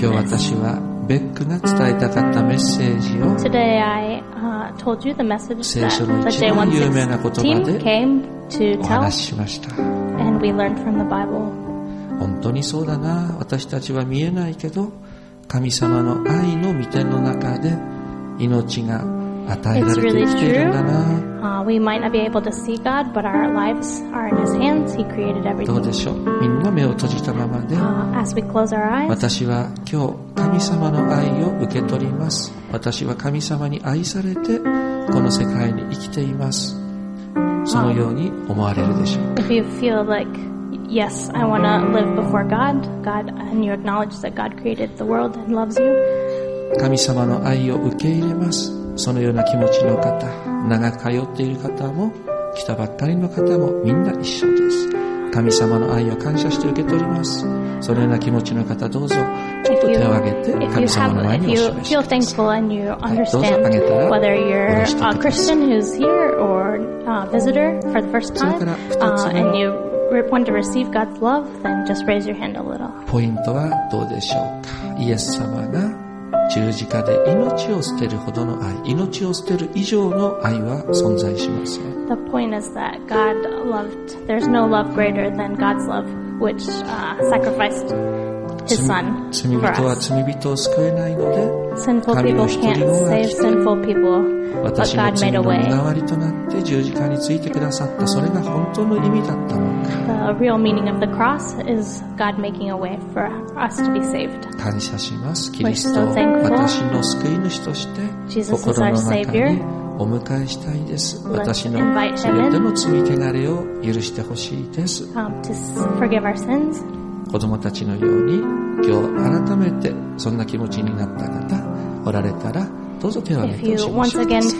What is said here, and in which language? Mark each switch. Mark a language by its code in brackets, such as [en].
[ja] 今日私はベックが伝えたかったメッセージを [en] Today I, told you the message [ja] 聖書の一番有名な言葉でお話ししました。 [en] And we learned from the Bible. [ja] 本当にそうだな。私たちは見えないけど神様の愛の御手の中で命が与えられて生きているんだな。 [en] We might not be able to see God, but our lives are in His hands. He created everything. [ja] どうでしょう。みんな目を閉じたままで。 [en] As we close our eyes. [ja] 私は今日神様の愛を受け取ります。私は神様に愛されてこの世界に生きています。そのように思われるでしょうか。 [en] If you feel like, yes, I want to live before God, God, and you acknowledge that God created the world and loves you. [ja] 神様の愛を受け入れます。そのような気持ちの方、長く通っている方も来たばっかりの方もみんな一緒です。神様の愛を感謝して受け取ります。そのような気持ちの方どうぞちょっと手を挙げて神様の前にお示しください。どうぞ挙げたら [en] whether you're a Christian who's here or a visitor for the first time and you want to receive God's love, then just raise your hand a little. [ja] ポイントはどうでしょうか。イエス様が十字架で命を捨てるほどの愛、命を捨てる以上の愛は存在しません。 [en] The point is that God loved. There's no love greater than God's love, which sacrificed His Son for us. [ja] 罪人は罪人を救えないので、 [en] sinful people can't save sinful people. But God made a way. [ja] 私の罪の身代わりとなって十字架についてくださった、それが本当の意味だったのか。 [en] The real meaning of the cross is God making a way for us to be saved. [ja] 感謝します。キリストを私の救い主として心の中にお迎えしたいです。私のすべての罪汚れを許してほしいです。 [en] To forgive our sins. [ja] 子供たちのように今日改めてそんな気持ちになった方おられたらどうぞ手を挙げてほしいです。